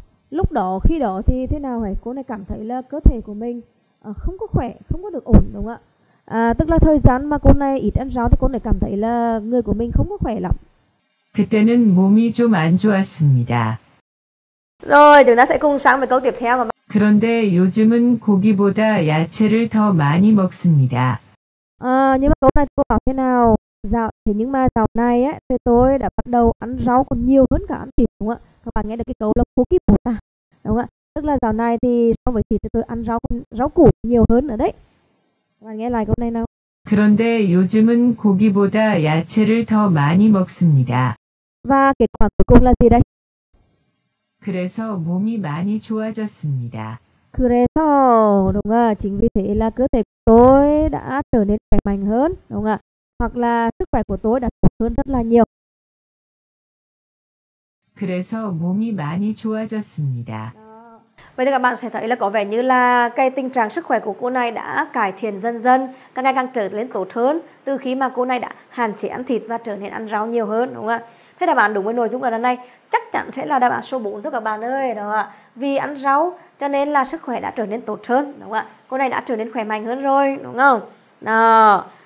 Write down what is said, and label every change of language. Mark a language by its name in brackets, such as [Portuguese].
[Vietnamese] Lúc đó, khi đó thì thế nào hả? Cô này cảm thấy là cơ thể của mình không có khỏe, không có được ổn, đúng không ạ? Tức là thời gian mà cô này ít ăn rau thì cô này cảm thấy là người của mình không có khỏe lắm. [Korean] 그때는 몸이 좀 안 좋았습니다. [Vietnamese] Rồi, chúng ta sẽ cùng sang với câu tiếp theo. [Korean] 그런데 요즘은 고기보다 야채를 더 많이 먹습니다. [Vietnamese] Nhưng mà câu này cô bảo thế nào? Dạo này ấy, thì tôi đã bắt đầu ăn rau còn nhiều hơn cả ăn thịt, đúng không ạ? Các bạn nghe được cái câu là 고기보다, đúng không ạ? Tức là dạo này thì so với thịt thì tôi ăn rau củ nhiều hơn nữa đấy. Các bạn nghe lại câu này nào. [Korean] 그런데 요즘은 고기보다 야채를 더 많이 먹습니다. [Vietnamese] Và kết quả cuối cùng là gì đây? [Korean] 그래서 몸이 많이 좋아졌습니다. 그래서, [Vietnamese] đúng không ạ? Chính vì thế là cơ thể của tôi đã trở nên khỏe mạnh hơn, đúng không ạ? Hoặc là sức khỏe của tôi đã tốt hơn rất là nhiều. [Korean] 그래서 몸이 많이 좋아졌습니다. [Vietnamese] Vậy thì các bạn sẽ thấy là có vẻ như là cái tình trạng sức khỏe của cô này đã cải thiện dần dần, càng ngày càng trở nên tốt hơn từ khi mà cô này đã hạn chế ăn thịt và trở nên ăn rau nhiều hơn, đúng không ạ? Thế đáp án đúng với nội dung ở đằng này chắc chắn sẽ là đáp án số 4 thôi các bạn ơi, đúng không ạ? Vì ăn rau cho nên là sức khỏe đã trở nên tốt hơn, đúng không ạ? Cô này đã trở nên khỏe mạnh hơn rồi, đúng không? Đó.